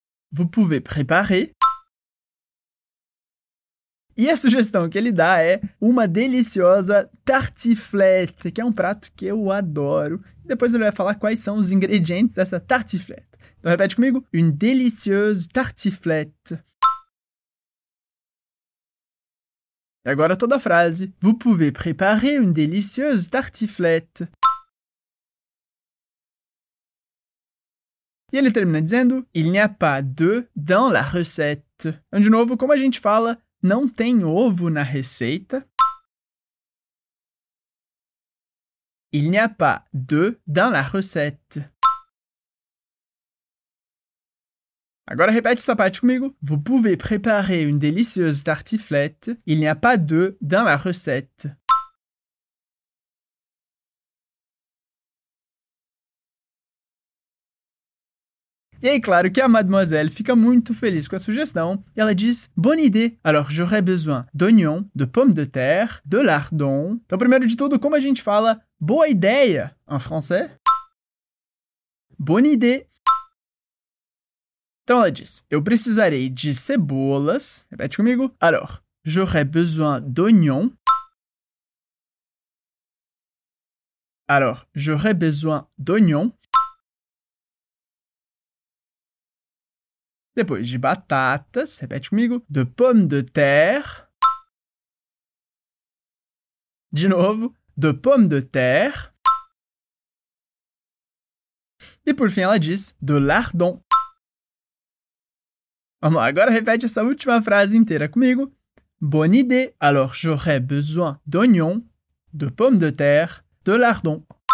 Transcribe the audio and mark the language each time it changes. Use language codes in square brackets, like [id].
[fr] Vous pouvez préparer. [pt] E a sugestão que ele dá é uma deliciosa tartiflette, que é um prato que eu adoro. Depois ele vai falar quais são os ingredientes dessa tartiflette. Então repete comigo. [fr] Une délicieuse tartiflette. [pt] E agora toda a frase. [fr] Vous pouvez préparer une délicieuse tartiflette. [pt] E ele termina dizendo, [fr] il n'y a pas de dans la recette. [pt] Então, de novo, como a gente fala, não tem ovo na receita. [fr] Il n'y a pas de dans la recette. [pt] Agora repete essa parte comigo. [fr] Vous pouvez préparer une délicieuse tartiflette. Il n'y a pas de dans la recette. [pt] E aí, claro que a mademoiselle fica muito feliz com a sugestão. E ela diz, [fr] bonne idée. Alors, j'aurais besoin d'oignon, de pommes de terre, de lardon. [pt] Então, primeiro de tudo, como a gente fala, boa ideia em francês? [fr] Bonne idée. [pt] Então, ela diz, eu precisarei de cebolas. Repete comigo. [fr] Alors, j'aurais besoin d'oignon. Alors, j'aurais besoin d'oignon. [pt] Depois de batatas, repete comigo, [fr] de pommes de terre. [pt] De novo, [fr] de pommes de terre. [pt] E por fim ela diz, [fr] de lardon. [pt] Vamos lá, agora repete essa última frase inteira comigo. [fr] Bonne idée. Alors, j'aurai besoin d'oignons, de pommes de terre, de lardons.